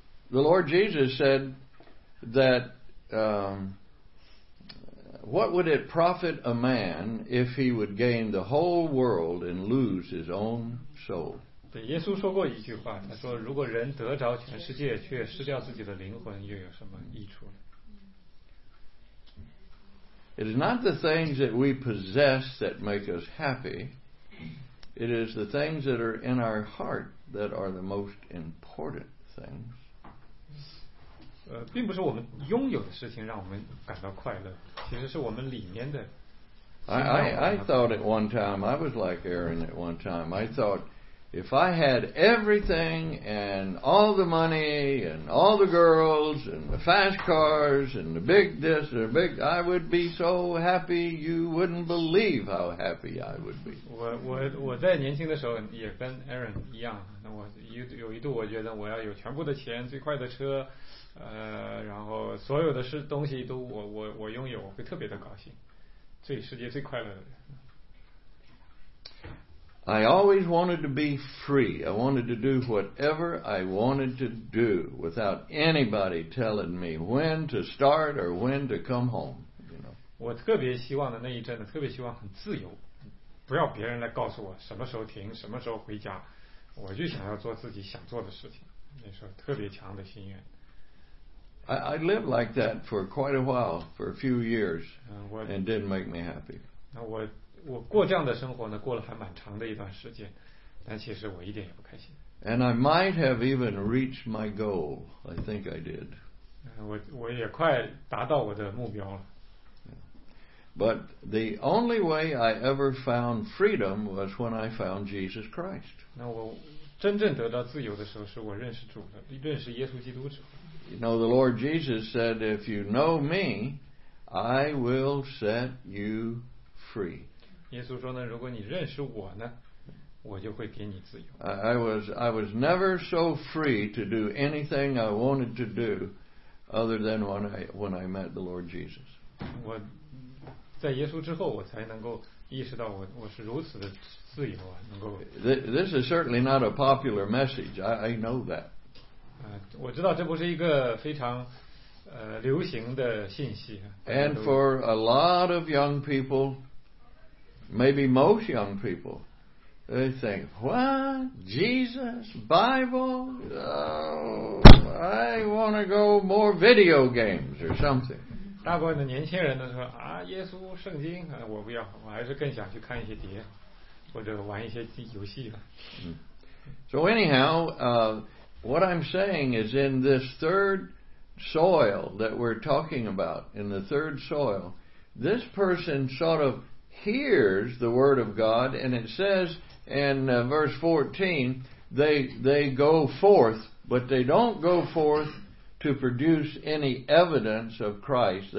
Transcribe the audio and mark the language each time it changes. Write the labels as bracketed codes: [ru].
[en] The Lord Jesus said that what would it profit a man if he would gain the whole world and lose his own soul? [zh] 对，耶稣说过一句话，他说如果人得着全世界却失掉自己的灵魂，又有什么益处呢？ [en] It is not the things that we possess that make us happy. It is the things that are in our heart that are the most important things. [zh] 并不是我们拥有的事情让我们感到快乐，其实是我们里面的。 [en] I thought at one time, I was like Aaron at one time, I thought if I had everything and all the money and all the girls and the fast cars and the big this and the big, I would be so happy you wouldn't believe how happy I would be. [zh] 我在年轻的时候也跟 Aaron 一样，那我有一度我觉得我要有全部的钱，最快的车。然后所有的事东西都我拥有，我会特别的高兴，最世界最快乐的人。 [en] I always wanted to be free. I wanted to do whatever I wanted to do without anybody telling me when to start or when to come home. You know. [zh] 我特别希望的那一阵子，特别希望很自由，不要别人来告诉我什么时候停，什么时候回家，我就想要做自己想做的事情。那时候特别强的心愿。 [en] I lived like that for quite a while, for a few years, and didn't make me happy. [zh] 我过这样的生活呢，过了还蛮长的一段时间，但其实我一点也不开心。 [en] And I might have even reached my goal. I think I did. [zh] 我也快达到我的目标了。 [en] But the only way I ever found freedom was when I found Jesus Christ. [zh] 那我真正得到自由的时候，是我认识主了，认识耶稣基督之后。 [en] You know, the Lord Jesus said, "If you know me, I will set you free." [zh] 耶稣说呢，如果你认识我呢，我就会给你自由。 [en] I was never so free to do anything I wanted to do, other than when I met the Lord Jesus. [zh] 我在耶稣之后，我才能够意识到我是如此的自由啊，能够。 [en] This is certainly not a popular message. I know that. [zh] 我知道这不是一个非常流行的信息。 [en] And for a lot of young people, maybe most young people, they think, "What? Jesus? Bible? Oh, I want to go more video games or something." [zh] 大部分的年轻人都说啊，耶稣、圣经，我不要，我还是更想去看一些碟，或者玩一些游戏了。 [en] So anyhow, what I'm saying is in this third soil that we're talking about, in the third soil, this person sort of hears the word of God, and it says in verse 14, they go forth, but they don't go forth to produce any evidence of Christ.